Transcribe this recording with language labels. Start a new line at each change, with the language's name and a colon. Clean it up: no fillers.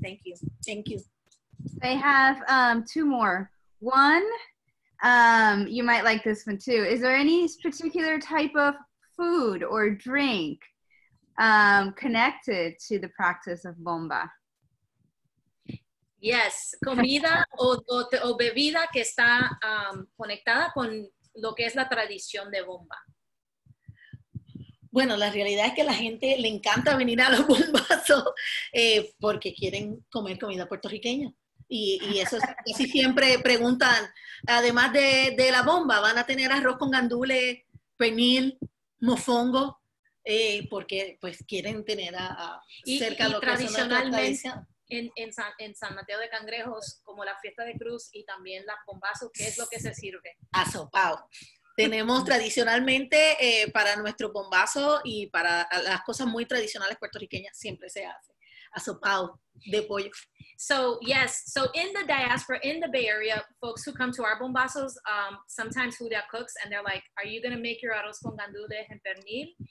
English: Thank you. Thank you. I have two more. One, you might like this one too. Is there any particular type of food or drink connected to the practice of Bomba?
Spanish: Yes, comida o bebida que está conectada con lo que es la tradición de Bomba. Bueno, la realidad es que a la gente le encanta venir a los bombazos porque quieren comer comida puertorriqueña. Y eso es, casi siempre preguntan, además de la Bomba, ¿van a tener arroz con gandules, pernil, mofongo? Porque pues quieren tener cerca y lo tradicionalmente, que son en San Mateo de Cangrejos, como la fiesta de cruz y también las bombazos, ¿qué es lo que se sirve? Asopao. Tenemos tradicionalmente para nuestro bombazo y para las cosas muy tradicionales puertorriqueñas siempre se hace. Asopao de pollo.
English: So, yes. So, in the diaspora, in the Bay Area, folks who come to our bombazos, sometimes Julia cooks and they're like, are you going to make your arroz con gandules and pernil?